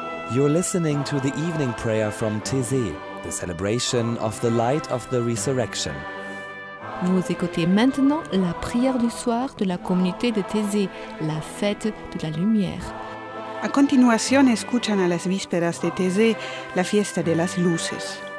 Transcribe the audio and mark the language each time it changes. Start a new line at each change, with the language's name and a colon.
English: You're listening to the evening prayer from Tessé, the celebration of the light of the resurrection.
French: Vous écoutez maintenant la prière du soir de la communauté de Tessé, la fête de la lumière.
Spanish: A continuación escuchan a las vísperas de Tessé, la fiesta de las luces.